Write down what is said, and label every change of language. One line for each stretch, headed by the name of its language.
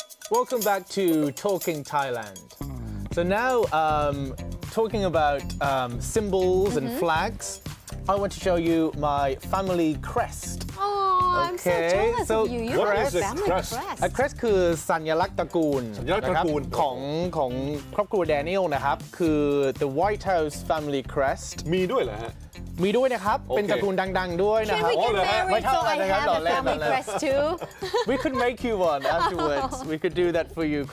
English: Welcome back to Talking Thailand. So now, talking about symbols and flags, I want to show you my family crest. Oh, okay. I'm so jealous of you. What is this crest?
Thai: A crest คือสัญลักษณ์ตระกูลของครอบครัวแดเนียลนะครับคือ
English: the White House family crest.
Thai: มีด้วยเหรอฮะ มีด้วยนะครับ
English: okay.
Thai: เป็นตระกูลดังๆด้วยนะครับ ไม่เท่ากันนะครับตอนแรกนะครับ
English: We could make you one afterwards We could do that for you